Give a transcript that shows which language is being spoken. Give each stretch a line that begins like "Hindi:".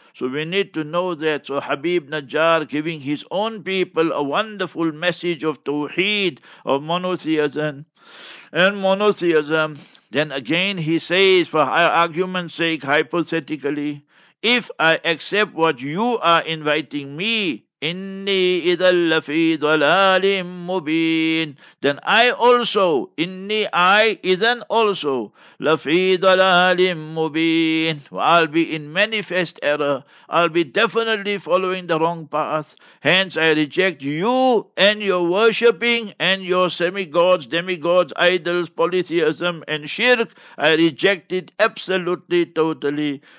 English: So we need to know that. So Habib Najjar giving his own people a wonderful message of Tawheed, of monotheism and monotheism. Then again he says, for argument's sake, hypothetically, if I accept what you are inviting me,
Arabic: إِنِّي إِذَا لَفِي ضَلَالٍ مُبِينٍ.
English: Then I also,
Arabic: إِنِّي إِذَنْ
English: also,
Arabic: لَفِي ضَلَالٍ مُبِينٍ.
English: I'll be in manifest error. I'll be definitely following the wrong path. Hence I reject you and your worshipping and your semi-gods, demigods, idols, polytheism and shirk. I reject it absolutely, totally.